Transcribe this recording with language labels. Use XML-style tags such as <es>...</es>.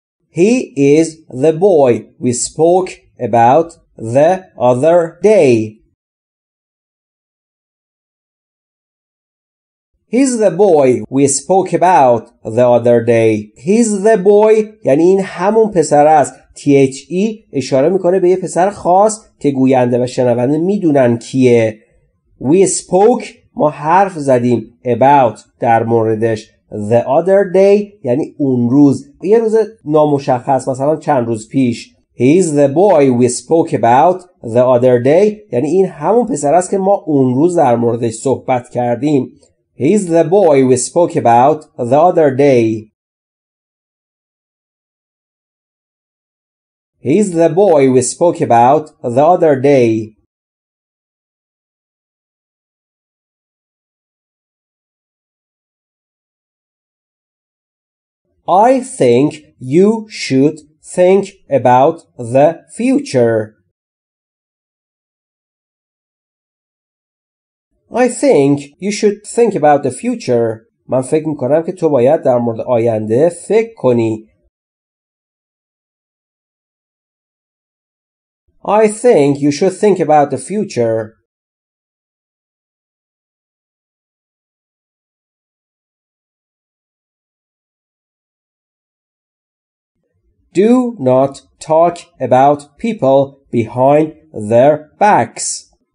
<en>He is the boy we spoke about the other day. He's the boy we spoke about the other day. He's the boy</en> <fa>یعنی این همون پسر است. THE اشاره میکنه به یه پسر خاص که گوینده و شنونده میدونن کیه.</fa> <en>We spoke</en> <fa>ما حرف زدیم</fa> <en>about</en> <fa>در موردش</fa> <en>the other day</en> <fa>یعنی اون روز یه روز نامشخص مثلا چند روز پیش.</fa> <en>He's the boy we spoke about the other day</en> <fa>یعنی این همون پسر است که ما اون روز در موردش صحبت کردیم.</fa> <en>He's the boy we spoke about the other day. He's the boy we spoke about the other day. I think you should think about the future. I think you should think about the future.</en> <fa>من فکر میکنم که تو باید در مورد آینده فکر کنی.</fa> <en>I think you should think about the future. Do not talk about people behind their backs.</en>